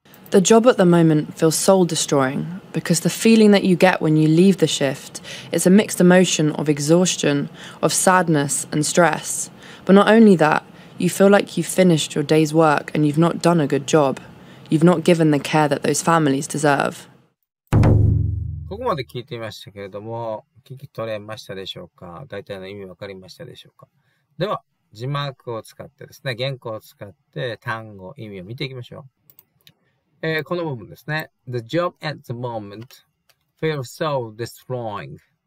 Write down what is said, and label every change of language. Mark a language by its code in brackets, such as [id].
[en] The job at the moment feels soul destroying because the feeling that you get when you leave the shift is a mixed emotion of exhaustion, of sadness and stress. But not only that, you feel like you've finished your day's work and you've not done a good job. You've not given the care that those families deserve. [ja] ここまで聞いてみましたけれども、聞き取れましたでしょうか。大体の意味わかりましたでしょうか。では字幕を使ってですね、原稿を使って単語、意味を見ていきましょう。この部分ですね。 [en] The job at the moment feels so destroying.